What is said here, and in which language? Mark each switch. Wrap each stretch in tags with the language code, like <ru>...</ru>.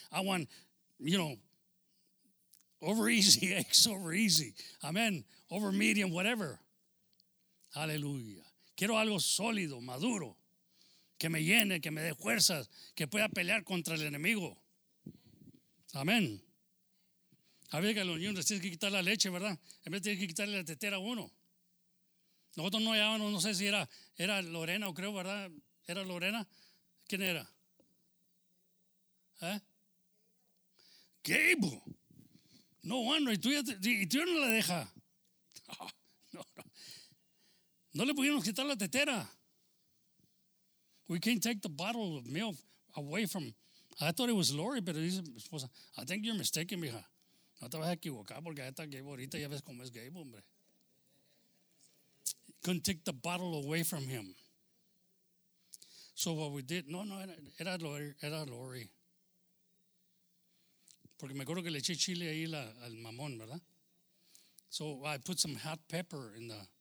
<en>I want, you know, over easy eggs, over easy. Amen. Over medium, whatever.</en> <es>Aleluya. Quiero algo sólido, maduro, que me llene, que me dé fuerzas, que pueda pelear contra el enemigo. Amén. A veces que a los niños tienen que quitar la leche, ¿verdad? En vez de tener que quitarle la tetera a uno. Nosotros no llevábamos, no sé si era Lorena o creo, ¿verdad? ¿Era Lorena? ¿Quién era? ¿Eh? Gabe. No, bueno, y tú ya no la deja. No le pudimos quitar la tetera.</es> <en>We can't take the bottle of milk away from... I thought it was Lori,</en> <es>pero dice mi esposa,</es> <en>I think you're mistaken,</en> <es>mija. No te vas a equivocar porque ahí está Gabe ahorita, ya ves cómo es Gabe, hombre.</es> <en>Couldn't take the bottle away from him. So what we did...</en> <es>No, era Lori. Porque me acuerdo que le eché chile ahí al mamón, ¿verdad?</es> <en>So I put some hot pepper in the...</en>